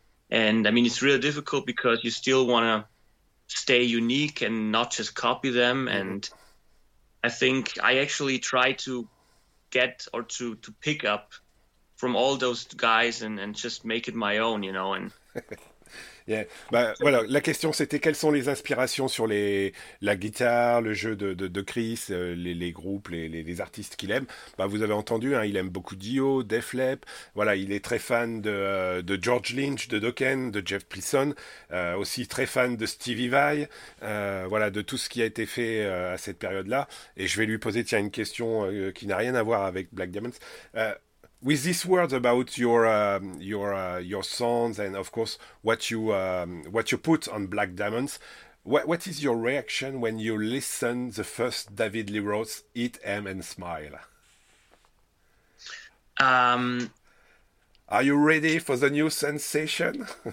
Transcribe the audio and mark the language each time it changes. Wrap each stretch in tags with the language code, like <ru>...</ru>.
<en>And I mean, it's really difficult because you still want to stay unique and not just copy them. And I think I actually try to get or to pick up from all those guys and just make it my own, you know. And</en> <fr>yeah, bah voilà, la question c'était quelles sont les inspirations sur la guitare, le jeu de Chris, les groupes, les artistes qu'il aime. Bah vous avez entendu, hein, il aime beaucoup Dio, Def Lepp, voilà, il est très fan de George Lynch, de Dokken, de Jeff Pilson, aussi très fan de Stevie Vai, voilà, de tout ce qui a été fait à cette période-là. Et je vais lui poser, tiens, une question qui n'a rien à voir avec Black Diamonds.</fr> <en>With these words about your songs and of course what you put on Black Diamonds, what is your reaction when you listen the first David Lee Roth's Eat, M and Smile? Are you ready for the new sensation?</en>